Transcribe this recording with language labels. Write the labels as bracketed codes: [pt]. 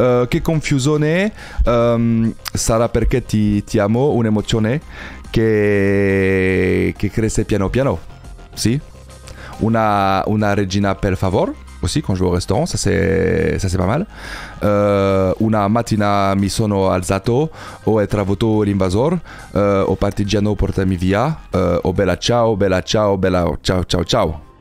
[it] Che confusione, sarà perché ti amo, un'emozione che cresce piano piano. Si. Una regina per favore, [fr] aussi quand je vais au restaurant, ça c'est pas mal. [it] Una mattina mi sono alzato, ho trovato l'invasore, ho partigiano portami via, o bella ciao, bella ciao, bella ciao ciao ciao.